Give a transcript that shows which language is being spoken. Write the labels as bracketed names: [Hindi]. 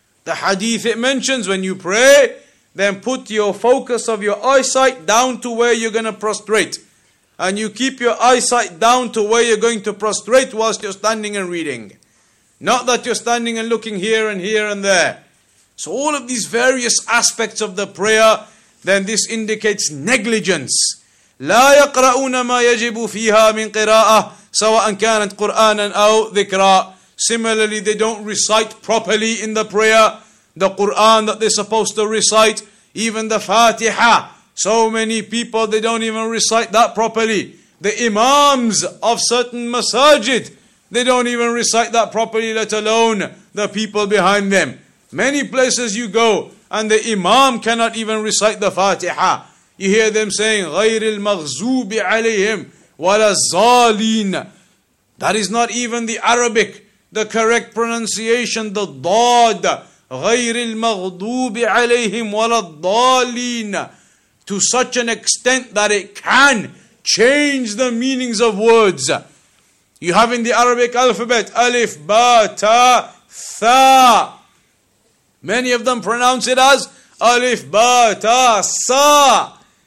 [English] The hadith it mentions, when you pray, then put your focus of your eyesight down to where you're going to prostrate. And you keep your eyesight down to where you're going to prostrate whilst you're standing and reading. Not that you're standing and looking here and here and there. So all of these various aspects of the prayer, then this indicates negligence. [Arabic] لا يقرؤون ما يجب فيها من قراءة سواء كانت قرآنا أو ذكرا. [English] Similarly, they don't recite properly in the prayer the Quran that they're supposed to recite, even the Fatiha. So many people, they don't even recite that properly. The imams of certain masajid, they don't even recite that properly, let alone the people behind them. Many places you go, and the imam cannot even recite the Fatiha. You hear them saying, [Arabic] غير المغزوب عليهم ولا الظالين. [English] That is not even the Arabic, the correct pronunciation, the ضاد. [Arabic] غير المغضوب عليهم ولا الضالين. [English] To such an extent that it can change the meanings of words. You have in the Arabic alphabet, alif, ba, ta, tha. Many of them pronounce it as alif, ba, ta, sa.